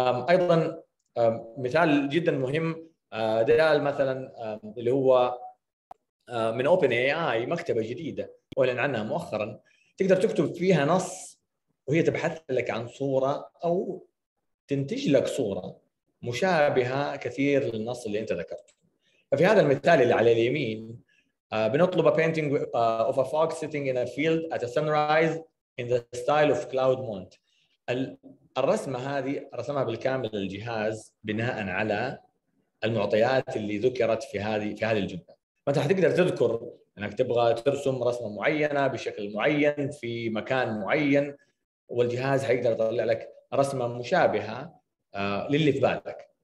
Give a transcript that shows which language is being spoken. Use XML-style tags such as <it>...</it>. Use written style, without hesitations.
<ar>أيضا مثال جدا مهم دلال مثلا اللي هو من أوبن إي آي، مكتبة جديدة أعلن عنها مؤخرا، تقدر تكتب فيها نص وهي تبحث لك عن صورة أو تنتج لك صورة مشابهة كثير للنص اللي أنت ذكرته. ففي هذا المثال اللي على اليمين بنطلب</ar> <en>a painting of a fox sitting in a field at a sunrise in the style of cloud mount.</en> <ar>الرسمة هذه رسمها بالكامل الجهاز بناء على المعطيات اللي ذكرت في هذه الجملة. فأنت هتقدر تذكر انك تبغى ترسم رسمه معينه بشكل معين في مكان معين، والجهاز هيقدر يطلع لك رسمه مشابهه للي في بالك.</ar>